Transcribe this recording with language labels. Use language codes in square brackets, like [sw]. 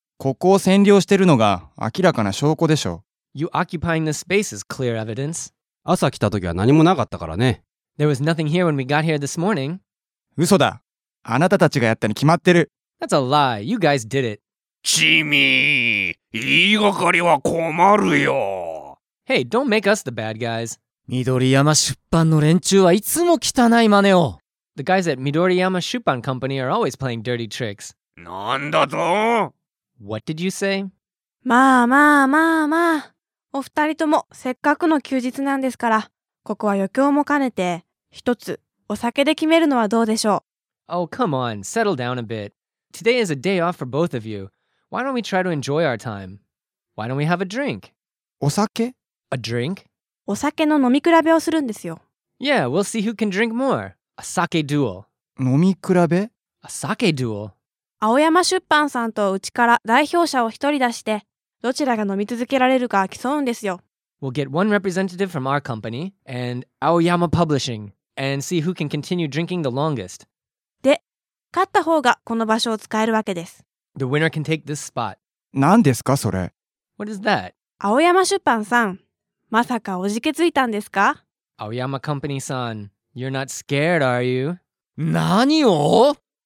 [ja] ここを占領してるのが明らかな証拠でしょ。 [en] You occupying this space is clear evidence. [ja] 朝来た時は何もなかったからね。 [en] There was nothing here when we got here this morning. [ja] 嘘だ。あなたたちがやったに決まってる。 [en] That's a lie. You guys did it. [ja] チミー、言いがかりは困るよ。 [en] Hey, don't make us the bad guys. [ja] 緑山出版の連中はいつも汚い真似を。 [en] The guys at Midoriyama Shuppan Company are always playing dirty tricks. [ja] なんだと？ [en] What did you say? [ja] まあまあまあまあ、お二人ともせっかくの休日なんですから、ここは余興も兼ねて一つお酒で決めるのはどうでしょう。 [en] Oh, come on. Settle down a bit. Today is a day off for both of you. Why don't we try to enjoy our time? Why don't we have a drink? [ja] お酒? [en] A drink? [ja] お酒の飲み比べをするんですよ。 [en] Yeah, we'll see who can drink more. A sake duel. [ja] 飲み比べ? [en] A sake duel. [ja] 青山出版さんとうちから代表者を一人出して、どちらが飲み続けられるか競うんですよ。 [en] We'll get one representative from our company and Aoyama Publishing and see who can continue drinking the longest. [ja] 勝った方がこの場所を使えるわけです。 [en] The winner can take this spot. [ja] 何ですかそれ。 [en] What is that? [ja] 青山出版さん、まさかおじけついたんですか。 [en] 青山 Company さん、you're not scared, are you? [ja] 何を？